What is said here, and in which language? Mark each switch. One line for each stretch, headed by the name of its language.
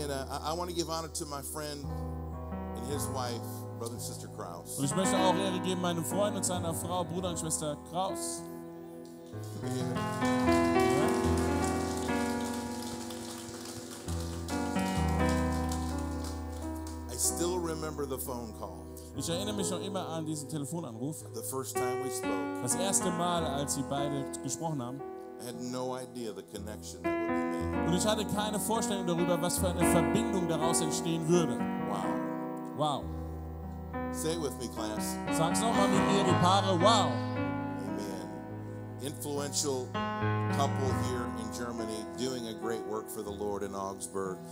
English: I want to give honor to my friend and his wife, brother and sister Kraus.
German: Und ich möchte auch Ehre geben meinem Freund und seiner Frau, Bruder und Schwester Kraus.
English: I still remember the phone call.
German: Ich erinnere mich noch immer an diesen Telefonanruf.
English: The first time we spoke.
German: Das erste Mal, als sie beide gesprochen haben.
English: I had no idea the connection that would be made.
German: Und ich hatte keine Vorstellung darüber, was für eine Verbindung daraus entstehen würde. Wow. Wow.
English: Say it with me, class.
German: Sag's nochmal mit mir, die Paare. Wow.
English: Amen. Influential couple here in Germany doing a great work for the Lord in Augsburg.